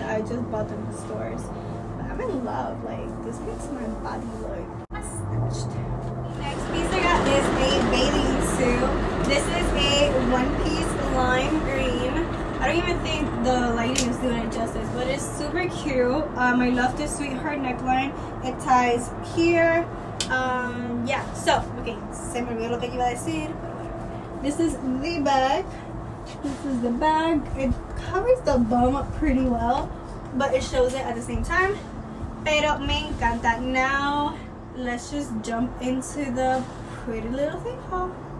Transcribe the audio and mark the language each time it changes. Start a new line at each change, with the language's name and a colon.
English: I just bought them in stores. But I'm in love. Like, this makes my body look snatched. Piece I got is a bathing suit. This is a one-piece lime green. I don't even think the lighting is doing it justice, but it's super cute. I love this sweetheart neckline. It ties here.
Spanish: Yeah, so okay, se me olvidó lo que iba a decir.
English: This is the bag. This is the bag. It covers the bum up pretty well, but it shows it at the same time.
Spanish: Pero me encanta.
English: Now let's just jump into the Pretty Little Thing haul.